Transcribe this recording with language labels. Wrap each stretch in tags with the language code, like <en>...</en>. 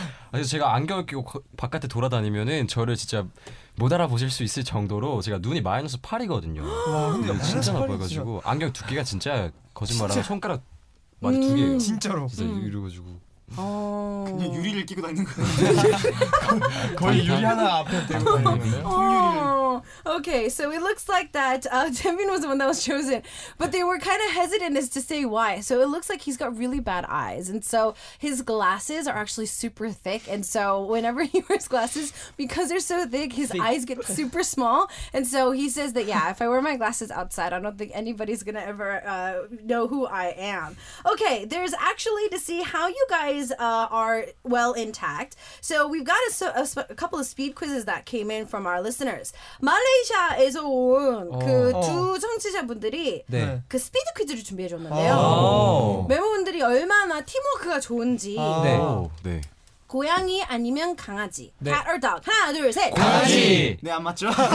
<ko>아니 제가 안경을 끼고 바깥에 돌아다니면은 저를 진짜 못 알아보실 수 있을 정도로 제가 눈이 마이너스 8이거든요. 와, 근데 진짜 나빠 가지고 안경 두께가 진짜 거짓말하면 손가락 맞아 두 개예요. 진짜로. 진짜 이러 가지고 그냥 유리를 끼고 다니는 거예요. 거의 유리 하나 앞에 대고 다니는데요.</ko> <en>Okay, so it looks like that Jaemin was the one that was chosen, but they were kind of hesitant as to say why. So it looks like he's got really bad eyes, and so his glasses are actually super thick. And so whenever he wears glasses, because they're so thick, his eyes get super small. And so he says that yeah, if I wear my glasses outside, I don't think anybody's gonna ever know who I am. Okay, there's actually to see how you guys. Are well intact. So we've got a couple of speed quizzes that came in from our listeners.</en> <ko>말레이시아에서 온 그 두 청취자분들이 네. 그 스피드 퀴즈를 준비해줬는데요. 멤버분들이 얼마나 팀워크가 좋은지 네. 네. 고양이 아니면 강아지 네.</ko> <en>Cat or dog?</en> <ko>하나 둘 셋 고양이! 네 안 맞죠?</ko>